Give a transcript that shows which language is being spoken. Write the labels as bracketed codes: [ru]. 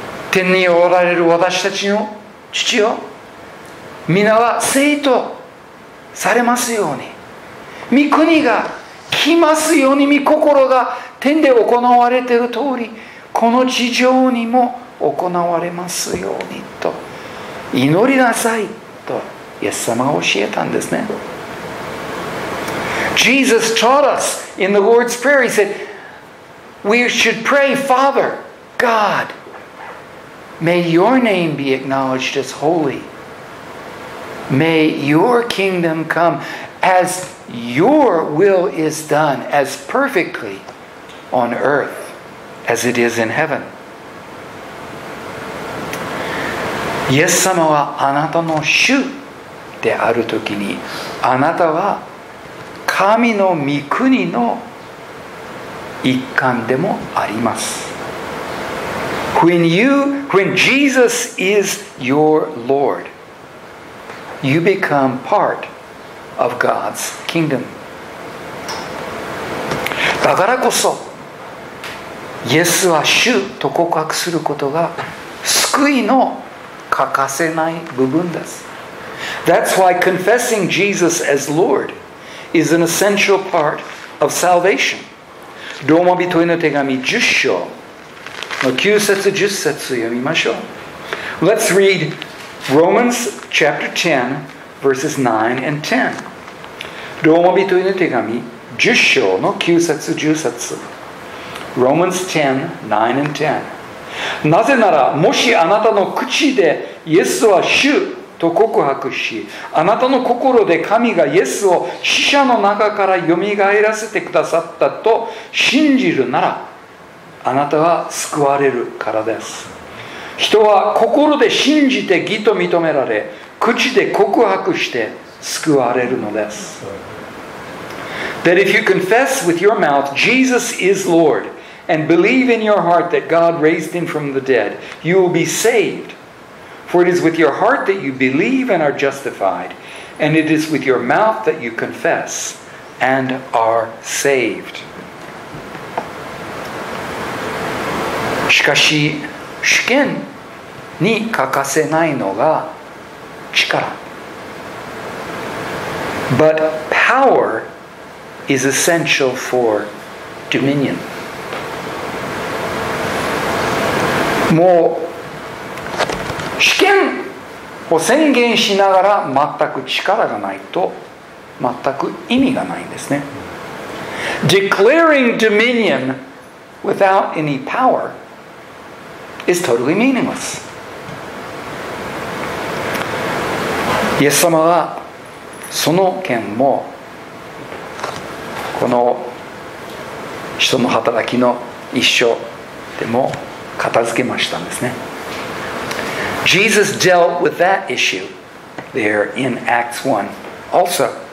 [ja] 天におられる私たちの父よ、皆は聖とされますように、御国が来ますように、御心が天で行われている通りこの地上にも行われますようにと祈りなさいとイエス様は教えたんですね。 [en] Jesus taught us in the Lord's Prayer. He said, we should pray, Father God, may your name be acknowledged as holy. May your kingdom come as your will is done as perfectly on earth as it is in heaven. [ja] イエス様はあなたの主であるときに、あなたは神の御国の一環でもあります。 [en] When Jesus is your Lord, you become part of God's kingdom. [ja] だからこそ、イエスは主と告白することが救いの欠かせない部分です。 [en] That's why confessing Jesus as Lord is an essential part of salvation. [ja] ローマ人への手紙10章の9節10節を読みましょう。 [en] Let's read Romans chapter 10 verses 9 and 10. [ja] ローマ人への手紙10章の9節10節。 [en] Romans 10, 9 and 10. [ja] なぜなら、もしあなたの口でイエスは主と告白し、あなたの心で神がイエスを死者の中からよみがえらせてくださったと信じるなら、あなたは救われるからです。人は心で信じて義と認められ、口で告白して救われるのです。 [en] That if you confess with your mouth Jesus is Lord and believe in your heart that God raised him from the dead, you will be savedFor it is with your heart that you believe and are justified, and it is with your mouth that you confess and are saved. [ja] しかし、主権に欠かせないのが力。 [en] But power is essential for dominion. [ja] もう主権を宣言しながら全く力がないと全く意味がないんですね。 [en] Declaring dominion without any power is totally meaningless. [ja] イエス様はその権もこの人の働きの一生でも片付けましたんですね。 [en] Jesus dealt with that issue there in Acts 1 also.